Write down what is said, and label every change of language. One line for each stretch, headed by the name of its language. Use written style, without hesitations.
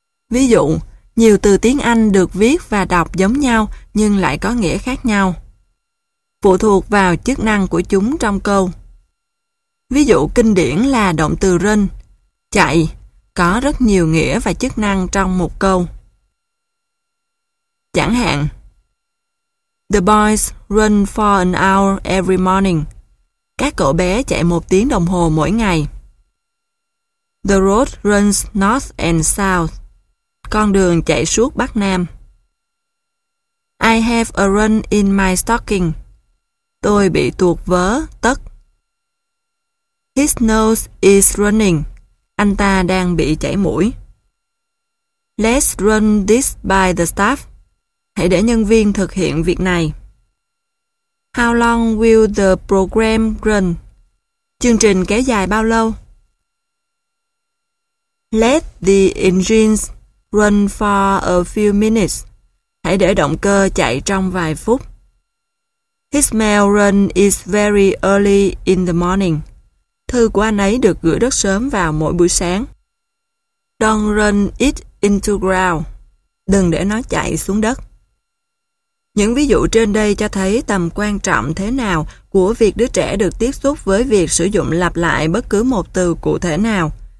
Vietnamese: Ví dụ, nhiều từ tiếng Anh được viết và đọc giống nhau nhưng lại có nghĩa khác nhau, phụ thuộc vào chức năng của chúng trong câu. Ví dụ kinh điển là động từ run, chạy, có rất nhiều nghĩa và chức năng trong một câu. Chẳng hạn,
English: The boys run for an hour every morning.
Vietnamese: Các cậu bé chạy một tiếng đồng hồ mỗi ngày.
English: The road runs north and south.
Vietnamese: Con đường chạy suốt Bắc Nam.
English: I have a run in my stocking.
Vietnamese: Tôi bị tuột vớ, tất.
English: His nose is running.
Vietnamese: Anh ta đang bị chảy mũi.
English: Let's run this by the staff.
Vietnamese: Hãy để nhân viên thực hiện việc này.
English: How long will the program run?
Vietnamese: Chương trình kéo dài bao lâu?
English: Let the engines run for a few minutes.
Vietnamese: Hãy để động cơ chạy trong vài phút.
English: His mail run is very early in the morning.
Vietnamese: Thư của anh ấy được gửi rất sớm vào mỗi buổi sáng.
English: Don't run it into ground.
Vietnamese: Đừng để nó chạy xuống đất. Những ví dụ trên đây cho thấy tầm quan trọng thế nào của việc đứa trẻ được tiếp xúc với việc sử dụng lặp lại bất cứ một từ cụ thể nào.